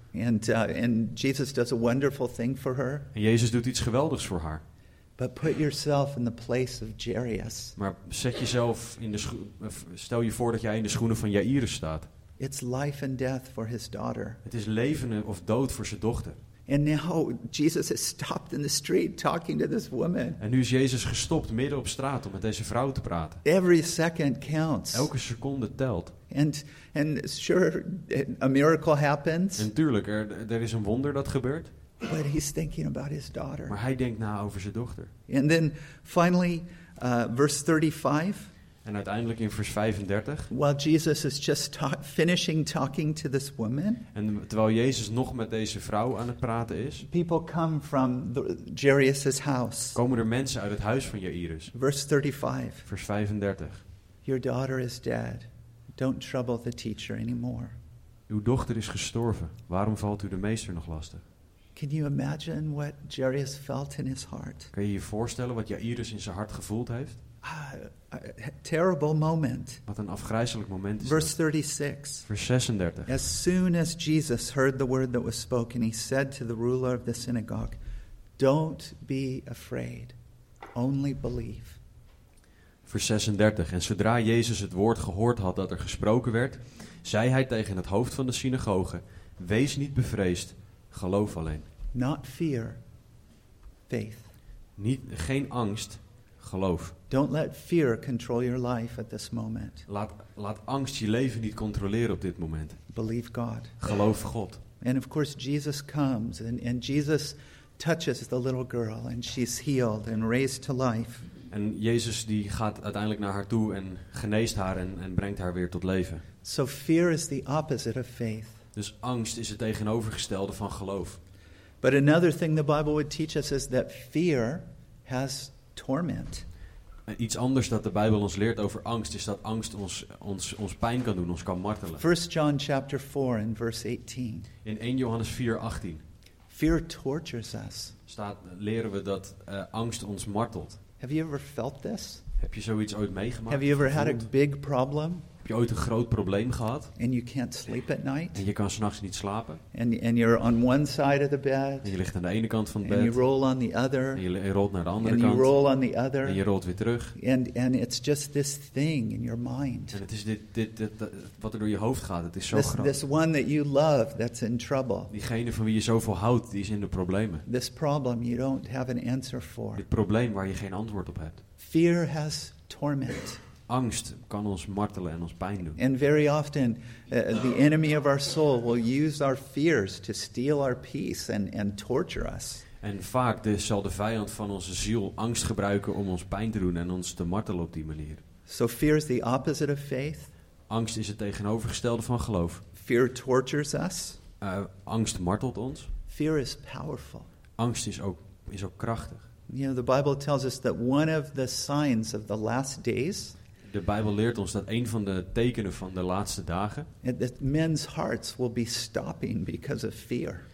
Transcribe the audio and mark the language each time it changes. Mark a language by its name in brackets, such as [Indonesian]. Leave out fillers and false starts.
[English] And Jesus does a wonderful thing for her. [Dutch] En Jezus doet iets geweldigs voor haar. [English] But put yourself in the place of Jairus. [Dutch] Maar zet jezelf in de stel je voor dat jij in de schoenen van Jairus staat. [English] It's life and death for his daughter. [Dutch] Het is leven of dood voor zijn dochter. [English] And now Jesus is stopped in the street talking to this woman. [Dutch] En nu is Jezus gestopt midden op straat om met deze vrouw te praten. [English] Every second counts. [Dutch] Elke seconde telt. [English] And sure, a miracle happens. [Dutch] En tuurlijk, er is een wonder dat gebeurt. [English] But he's thinking about his daughter. [Dutch] Maar hij denkt na over zijn dochter. [English] And then finally, verse 35. [Dutch] En uiteindelijk in vers 35. [English] While Jesus is just finishing talking to this woman. [Dutch] En terwijl Jezus nog met deze vrouw aan het praten is. [English] People come from Jairus's house. [Dutch] Komen er mensen uit het huis van Jairus. [English] Verse 35. [Dutch] Vers 35. [English] Your daughter is dead. Don't trouble the teacher anymore. [Dutch] Uw dochter is gestorven. Waarom valt u de meester nog lastig? [English] Can you imagine what Jairus felt in his heart? [Dutch] Kan je je voorstellen wat Jairus in zijn hart gevoeld heeft? [English] Terrible moment. [Dutch] Wat een afgrijzelijk moment is. [English] Verse 36. [Dutch] Vers 36. [English] As soon as Jesus heard the word that was spoken, he said to the ruler of the synagogue, "Don't be afraid, only believe." [Dutch] Vers 36. En zodra Jezus het woord gehoord had dat er gesproken werd, zei hij tegen het hoofd van de synagoge, wees niet bevreesd, geloof alleen. [English] Not fear, faith. [Dutch] Geen angst, geloof. [English] Don't let fear control your life at this moment. [Dutch] Laat angst je leven niet controleren op dit moment. [English] Believe God. [Dutch] Geloof God. [English] And of course Jesus comes and Jesus touches the little girl and she's healed and raised to life. [Dutch] En Jezus die gaat uiteindelijk naar haar toe en geneest haar en brengt haar weer tot leven. [English] So fear is the opposite of faith. [Dutch] Dus angst is het tegenovergestelde van geloof. [English] But another thing the Bible would teach us is that fear has torment. [Dutch] Iets anders dat de Bijbel ons leert over angst is dat angst ons pijn kan doen, ons kan martelen. [English] 1 John chapter 4 and verse 18. [Dutch] In 1 Johannes 4, 18. [English] Fear tortures us. [Dutch] Leren we dat angst ons martelt. [English] Have you ever felt this? [Dutch] Heb je zoiets ooit meegemaakt? [English] Have you ever had a big problem? [Dutch] Heb je ooit een groot probleem gehad? [English] And you can't sleep at night. [Dutch] En je kan 's nachts niet slapen. [English] And you're on one side of the bed. [Dutch] En je ligt aan de ene kant van het [English] and [Dutch] bed. [English] You roll on the other. [Dutch] En je rolt naar de andere [English] and [Dutch] kant. [English] You roll on the other. [Dutch] En je rolt weer terug. [English] And it's just this thing in your mind. [Dutch] En het is dit wat er door je hoofd gaat. Het is zo groot. [English] This one that you love that's in trouble. [Dutch] Diegene van wie je zoveel houdt, die is in de problemen. [English] This problem you don't have an answer for. [Dutch] Dit probleem waar je geen antwoord op hebt. [English] Fear has torment. [Dutch] Angst kan ons martelen en ons pijn doen. [English] And very often the enemy of our soul will use our fears to steal our peace and torture us. [Dutch] En vaak zal de vijand van onze ziel angst gebruiken om ons pijn te doen en ons te martelen op die manier. [English] So fear is the opposite of faith. [Dutch] Angst is het tegenovergestelde van geloof. [English] Fear tortures us. [Dutch] Angst martelt ons. [English] Fear is powerful. [Dutch] Angst is ook krachtig. [English] You know, the Bible tells us that one of the signs of the last days. [Dutch] De Bijbel leert ons dat een van de tekenen van de laatste dagen. [English] That men's hearts will be stopping because of fear.